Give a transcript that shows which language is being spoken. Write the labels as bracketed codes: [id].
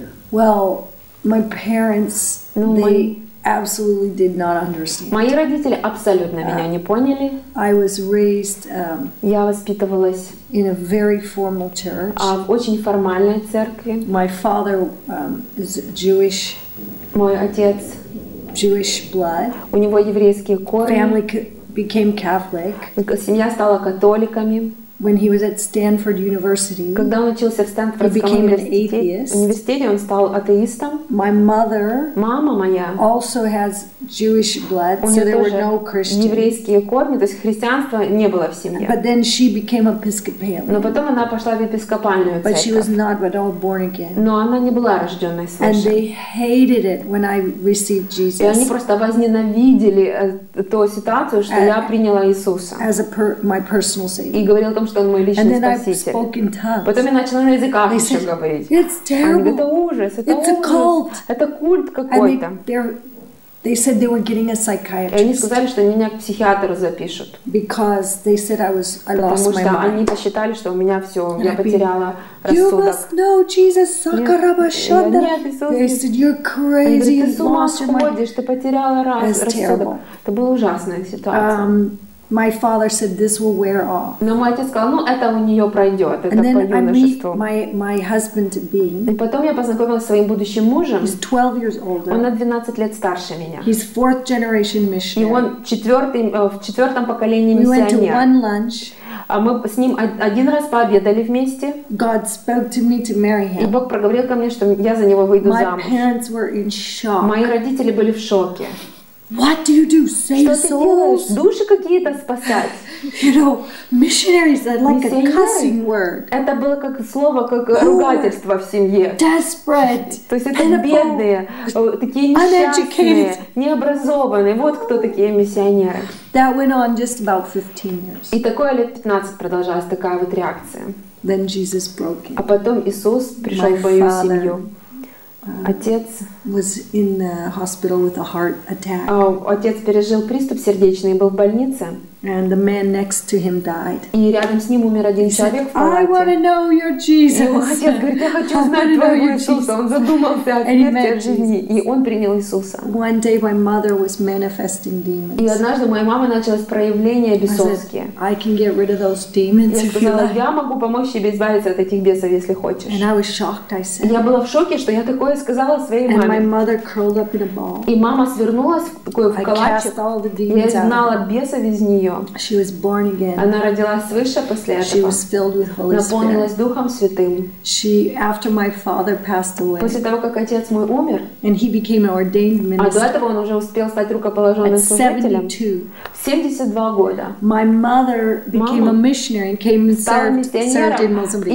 [en] Well, my parents, they absolutely did not understand. [ru] Мои родители абсолютно меня не поняли. [en] I was raised, [ru] я воспитывалась [en] in a very formal church. [ru] В очень формальной церкви. [en] My father is Jewish. [ru] Мой отец [en] Jewish blood. [ru] У него еврейские корни. [en] Family became Catholic. [ru] Семья стала католиками. [en] When he was at Stanford University, [ru] когда он учился в Стэнфордском университете, он стал атеистом. [en] My mother, [ru] мама моя, [en] also has Jewish blood, so there were no Christians. [ru] Еврейские корни, то есть христианства не было в семье. [en] But then she became Episcopalian. [ru] Но потом она пошла в епископальную церковь. [en] But she was not at all born again. [ru] Но она не была рожденной свыше. [en] And they hated it when I received Jesus. [ru] И они просто возненавидели ту ситуацию, что я приняла Иисуса. [en] As a my personal savior. [ru] И говорил о том, что он мой личный [en] And then [ru] спаситель. Потом я начала на языках еще говорить. [en] It's terrible. [ru] Они говорят, это ужас, это [en] It's [ru] ужас. [en] A cult. [ru] Это культ какой-то. [en] They said they were getting a psychiatrist. [ru] И они сказали, что меня к психиатру запишут. [en] Because they said I lost [ru] Потому [en] my [ru] что [en] mind. [ru] Они посчитали, что у меня все, And я потеряла рассудок. [en] You must know Jesus, Сакарабашанда. They said, you're crazy. [ru] Они говорят, ты с ума сходишь, ты потеряла рассудок. Это была ужасная ситуация. [en] My father said this will wear off. [ru] Но мой отец сказал, ну это у нее пройдет, это по юношеству. [en] My husband to be. [ru] И потом я познакомилась с своим будущим мужем. [en] He's 12 years older. [ru] Он на 12 лет старше меня. [en] He's fourth generation missionary. [ru] И он в четвертом поколении миссионер. [en] We went to one lunch. [ru] А мы с ним один раз пообедали вместе. [en] God spoke to me to marry him. [ru] И Бог проговорил ко мне, что я за него выйду [en] my [ru] замуж. [en] My parents were in shock. [ru] Мои родители были в шоке. [en] What do you do? Save souls? [ru] Что ты делаешь? Души какие-то спасать? [en] You know, missionaries are like a cussing word. [ru] Это было как слово, как ругательство в семье. [en] Desperate. [ru] То есть это [en] pitiful, [ru] бедные, такие несчастные, [en] uneducated. [ru] Необразованные. Вот кто такие миссионеры. [en] That went on just about 15 years. [ru] И такое лет 15 продолжалась такая вот реакция. [en] Then Jesus broke in. [ru] А потом Иисус пришел в мою семью. Отец [en] was in the hospital with a heart attack. [ru] Отец пережил приступ сердечный и был в больнице. [en] And the man next to him died. [ru] И рядом с ним умер один человек в палате. [en] I want to know your Jesus. [ru] И отец говорит, я хочу знать твоего Иисуса. Он задумался о смерти, о жизни. И он принял Иисуса. [en] One day my mother was manifesting demons. [ru] И однажды моя мама началась проявление бесовские. [en] I can get rid of those demons. [ru] Я сказала, я могу помочь тебе избавиться от этих бесов, если хочешь. [en] And I was shocked, I said. [ru] Я была в шоке, что я такое сказала своей маме. [en] And my mother curled up in a ball. [ru] И мама свернулась в такой калачик. [en] I cast all the demons out. [ru] Я изгнала бесов из нее. [en] She was born again. [ru] Она родилась свыше после этого. [en] She was filled with Holy Spirit. [ru] Наполнилась Духом Святым. [en] She, after my father passed away. [ru] После того, как отец мой умер. [en] And he became an ordained minister. [ru] А до этого он уже успел стать рукоположенным служителем. [en] At 72. [ru] 72 года. [en] My mother became a missionary and came and served in Mozambique.